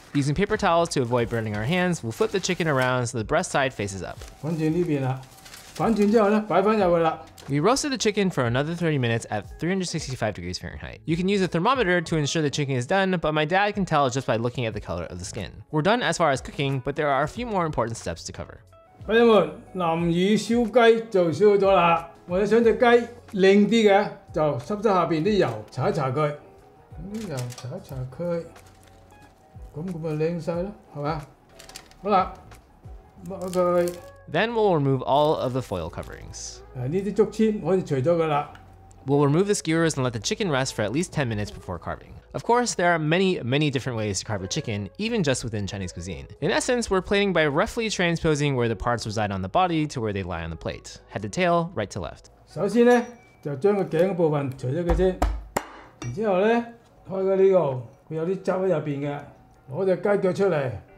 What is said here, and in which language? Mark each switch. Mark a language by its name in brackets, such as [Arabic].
[English] Using paper towels to avoid burning our hands, we'll flip the chicken around so the breast side faces up. [Cantonese] 反轉呢邊啦，反轉之後咧，擺翻入去啦。 [English] We roasted the chicken for another 30 minutes at 365 degrees Fahrenheit. You can use a thermometer to ensure the chicken is done, but my dad can tell just by looking at the color of the skin. We're done as far as cooking, but there are a few more important steps to cover. [Cantonese] 朋友們，南乳燒雞就燒咗啦。我哋想只雞靚啲嘅，就濕濕下邊啲油，搽一搽佢，啲油搽一搽佢。咁咪靚曬咯，係嘛？好啦，剝佢。 [English] Then we'll remove all of the foil coverings. [Cantonese] 呢啲竹籤可以除咗佢啦。 [English] We'll remove the skewers and let the chicken rest for at least 10 minutes before carving. Of course, there are many, many different ways to carve a chicken, even just within Chinese cuisine. In essence, we're plating by roughly transposing where the parts reside on the body to where they lie on the plate, head to tail, right to left. [Cantonese] 首先咧，就將個頸部分除咗佢先，然之後咧，開個呢個，佢有啲汁喺入邊嘅。攞只雞腳出嚟。